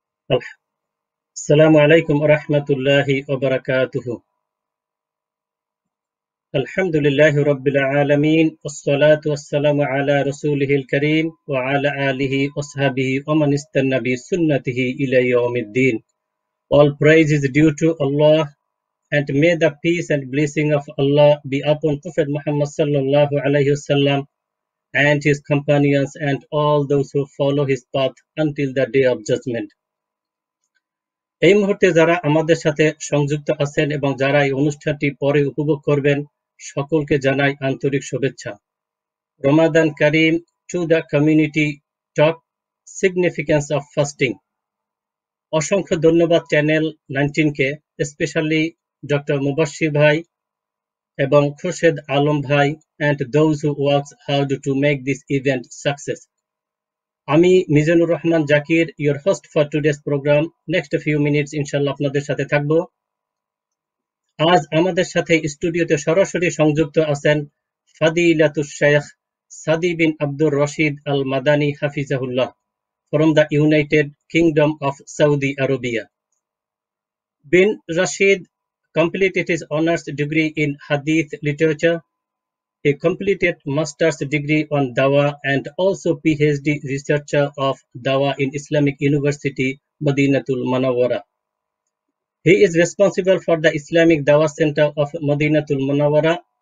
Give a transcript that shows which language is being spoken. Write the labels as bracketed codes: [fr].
[ar] السلام عليكم ورحمة الله وبركاته. الحمد لله رب العالمين، والصلاة والسلام على رسوله الكريم وعلى آله وصحبه ومن استنى بسنته إلى يوم الدين. [en] All praise is due to Allah, and may the peace and blessing of Allah be upon Prophet Muhammad sallallahu alayhi wasallam and his companions and all those who follow his path until the day of judgment. [bn] এই মুহূর্তে যারা আমাদের সাথে সংযুক্ত আছেন এবং যারা এই অনুষ্ঠানটি পরে উপভোগ করবেন, সকলকে জানাই আন্তরিক শুভেচ্ছা। [en] Ramadan Kareem to the community, talk significance of fasting. [bn] অসংখ্য ধন্যবাদ চ্যানেল 19-কে, স্পেশালি ডক্টর মুবাশির ভাই এবং খোরশেদ আলম ভাই [en] And those who work hard to make this event success. [bn] আমি Mizanur Rahman Zakir, [en] Your host for today's program. Next few minutes [bn] ইনশাল্লাহ আপনাদের সাথে থাকব। আজ আমাদের সাথে স্টুডিওতে সরাসরি সংযুক্ত আছেন ফাদিলাতুস শেখ সাদি বিন আব্দুর রশিদ আল Madani হাফিজাহুল্লাহ [en] From the United Kingdom of Saudi Arabia. Bin Rashid completed his honours degree in hadith literature. He completed master's degree on Dawa and also PhD researcher of Dawa in Islamic University, Madinatul Munawwara. He is responsible for the Islamic Dawa Center of Madinatul Munawwara.